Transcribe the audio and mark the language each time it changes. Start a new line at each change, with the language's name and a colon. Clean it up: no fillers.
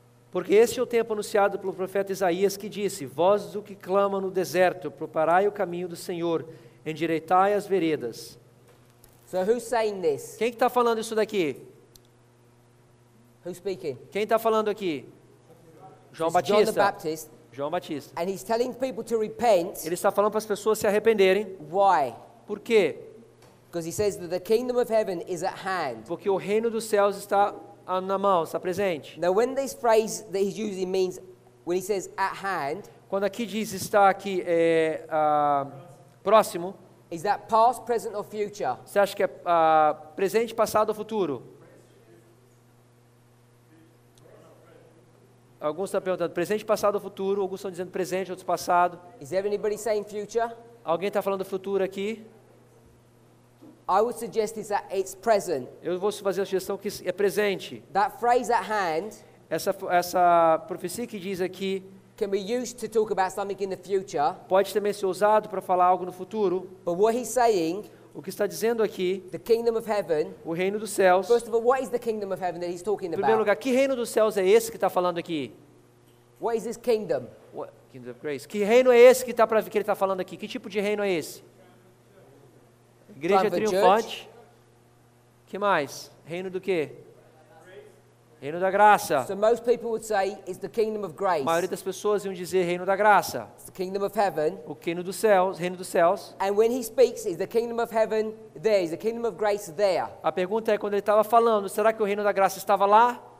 Portuguese: Porque este é o tempo anunciado pelo profeta Isaías, que disse: Voz do que clama no deserto, preparai o caminho do Senhor, endireitai as veredas.
English: So who's saying this?
Portuguese: Quem está falando isso daqui?
English: Who's speaking?
Portuguese: Quem está falando aqui? João Batista. João Batista.
English: And he's telling people to repent.
Portuguese: Ele está falando para as pessoas se arrependerem.
English: Why?
Portuguese: Por quê?
English: Because he says that the kingdom of heaven is at hand.
Portuguese: Porque o reino dos céus está na mão, está presente.
English: Now when this phrase that he's using means, when he says at hand,
Portuguese: quando aqui diz está aqui, é, próximo,
English: is that past, present or future?
Portuguese: Você acha que é presente, passado ou futuro? Alguns estão perguntando presente, passado ou futuro, alguns estão dizendo presente, outros passado.
English: Is anybody saying future?
Portuguese: Alguém está falando futuro aqui?
English: I would suggest is that it's present.
Portuguese: Eu vou fazer a sugestão que é presente.
English: That phrase at hand.
Portuguese: Essa profecia que diz aqui.
English: Can be used to talk about something in the future.
Portuguese: Pode também ser usado para falar algo no futuro.
English: But what he's saying.
Portuguese: O que está dizendo aqui?
English: The kingdom of heaven.
Portuguese: O reino dos céus.
English: First of all, what is the kingdom of heaven that he's talking about?
Portuguese: Em primeiro lugar, que reino dos céus é esse que está falando aqui?
English: What is this kingdom? What kingdom of grace?
Portuguese: Que reino é esse que está para que ele está falando aqui? Que tipo de reino é esse? Igreja triunfante. Que mais? Reino do quê? Reino da graça.
English: So most people would say it's the kingdom of grace.
Portuguese: A maioria das pessoas iam dizer reino da graça.
English: It's the kingdom of heaven.
Portuguese: O reino dos céus, reino dos céus.
English: And when he speaks, is the kingdom of heaven there? Is the kingdom of grace there?
Portuguese: A pergunta é quando ele estava falando, será que o reino da graça estava lá?